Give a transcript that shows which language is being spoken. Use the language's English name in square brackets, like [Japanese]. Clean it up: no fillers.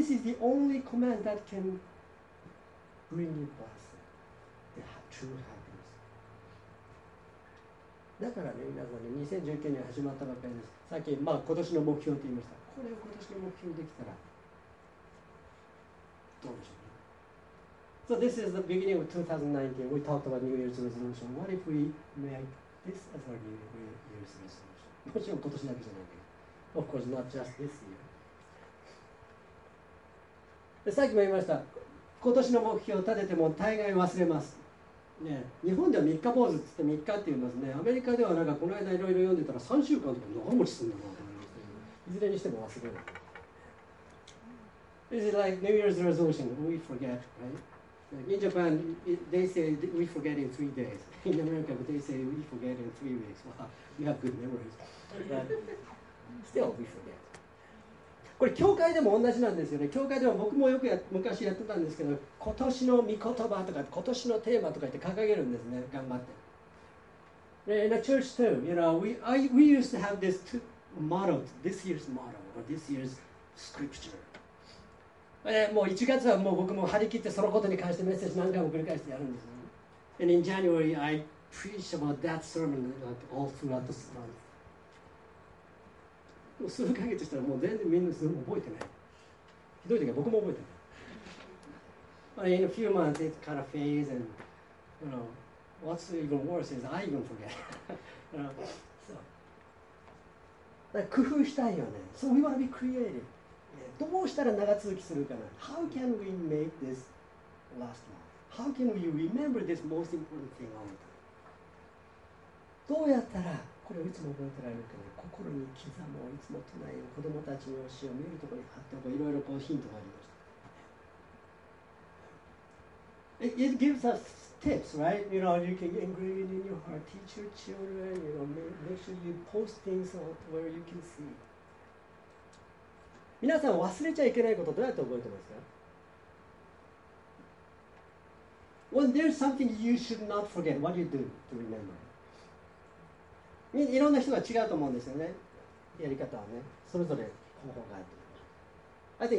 [English] You see, this is the only command that can bring you blessing, the true happiness. [Japanese] だからね、皆さんね、2019年始まったばかりです。さっき、まあ、今年の目標と言いました。これを今年の目標にできたら、どうでしょうね。 [English] So this is the beginning of 2019. We talked about New Year's resolution. What if we make this as our New Year's resolution? [Japanese] もちろん今年だけじゃないけど。 [English] Of course, not just this year. [Japanese] さっきも言いました。今年の目標を立てても大概忘れます。ね、日本では3日坊主って言って3日って言いますね。アメリカではなんかこの間いろいろ読んでたら3週間とか長持ちするんだなと思いますけど、いずれにしても忘れる。 [English] Is it like New Year's resolution? We forget, right? In Japan, they say we forget in 3 days. In America, they say we forget in 3 weeks. Wow, we have good memories. But still, we forget. [Japanese] これ教会でも同じなんですよね。教会でも僕もよくや昔やってたんですけど、今年の御言葉とか今年のテーマとか言って掲げるんですね。頑張って。 [English] In the church too, you know, we used to have this motto, this year's motto or this year's scripture. [Japanese] もう1月はもう僕も張り切ってそのことに関してメッセージ何回も繰り返してやるんですね。 [English] And in January, I preach about that sermon all throughout the month. [Japanese] 数ヶ月したらもう全然みんな覚えてない。ひどい時は僕も覚えてない。 [English] In a few months it kind of fades and you know, what's even worse is I even forget. So. [Japanese] だから工夫したいよね。 [English] So we want to be creative. [Japanese] どうしたら長続きするかな。 [English] How can we make this last long? How can we remember this most important thing all the time? [Japanese] どうやったらこれをいつも覚えてられるかね。心に刻もう、いつも唱えよう、子供たちの教えを見るところに貼っておこう、いろいろこうヒントがありました。 [English] It gives us tips, right? You know, you can engrave it in your heart, teach your children, you know, make sure you post things out where you can see. [Japanese] 皆さん忘れちゃいけないことどうやって覚えてますか？ [English] Well, there's something you should not forget. What do you do to remember? [Japanese] いろんな人が違うと思うんですよね。やり方はね。それぞれ方法があって。